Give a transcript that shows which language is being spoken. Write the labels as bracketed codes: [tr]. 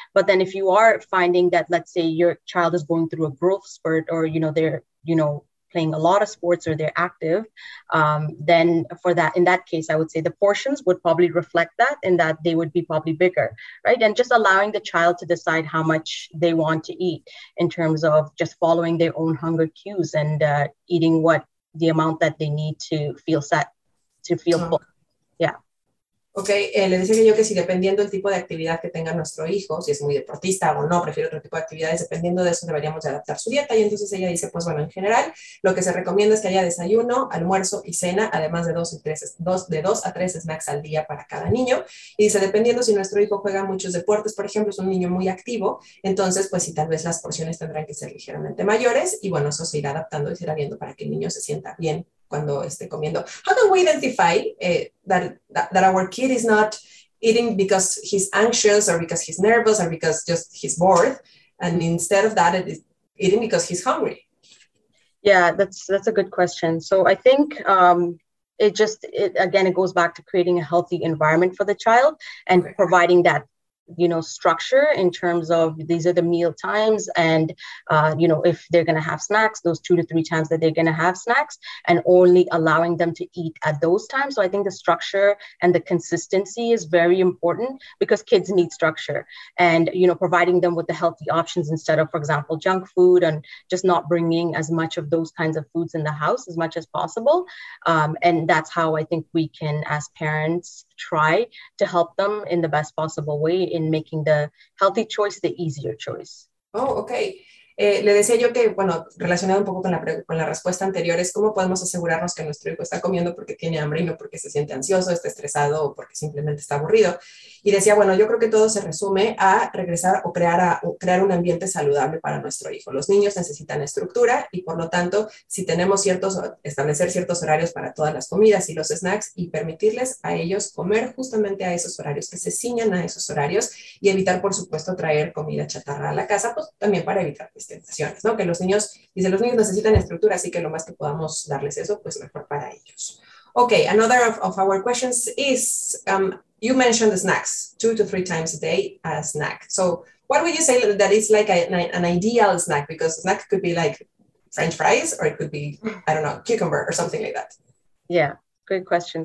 [en] But then if you are finding that, let's say your child is going through a growth spurt or, you know, they're, you know, playing a lot of sports or they're active, then for that, in that case, I would say the portions would probably reflect that and that they would be probably bigger, right? And just allowing the child to decide how much they want to eat in terms of just following their own hunger cues and eating what the amount that they need to feel set, to feel full. Yeah. [es] Okay, le decía yo que si dependiendo del tipo de actividad que tenga nuestro hijo, si es muy deportista o no, prefiere otro tipo de actividades, dependiendo de eso deberíamos de adaptar su dieta. Y entonces ella dice, pues bueno, en general, lo que se recomienda es que haya desayuno, almuerzo y cena, además de dos a tres snacks al día para cada niño. Y dice, dependiendo si nuestro hijo juega muchos deportes, por ejemplo, es un niño muy activo, entonces pues sí, tal vez las porciones tendrán que ser ligeramente mayores. Y bueno, eso se irá adaptando y se irá viendo para que el niño se sienta bien cuando esté comiendo. [en] How can we identify that our kid is not eating because he's anxious or because he's nervous or because just he's bored, and instead of that, it is eating because he's hungry? Yeah, that's a good question. So I think it goes back to creating a healthy environment for the child and providing that, you know, structure in terms of these are the meal times and, you know, if they're going to have snacks, those 2 to 3 times that they're going to have snacks and only allowing them to eat at those times. So I think the structure and the consistency is very important because kids need structure and, you know, providing them with the healthy options instead of, for example, junk food and just not bringing as much of those kinds of foods in the house as much as possible. And that's how I think we can, as parents, try to help them in the best possible way in making the healthy choice the easier choice. Oh, okay. [es] Le decía yo que, bueno, relacionado un poco con la respuesta anterior, es cómo podemos asegurarnos que nuestro hijo está comiendo porque tiene hambre y no porque se siente ansioso, está estresado o porque simplemente está aburrido. Y decía, bueno, yo creo que todo se resume a regresar o crear un ambiente saludable para nuestro hijo. Los niños necesitan estructura y, por lo tanto, si tenemos establecer ciertos horarios para todas las comidas y los snacks y permitirles a ellos comer justamente a esos horarios, que se ciñan a esos horarios y evitar, por supuesto, traer comida chatarra a la casa, pues también para evitar tentaciones, ¿no? Que los niños, dice, los niños necesitan estructura, así que lo más que podamos darles eso, pues mejor para ellos. [en] Okay, another of our questions is, you mentioned the snacks, 2 to 3 times a day, a snack. So what would you say that it's like an ideal snack? Because a snack could be like French fries, or it could be, I don't know, cucumber or something like that. Yeah, good question.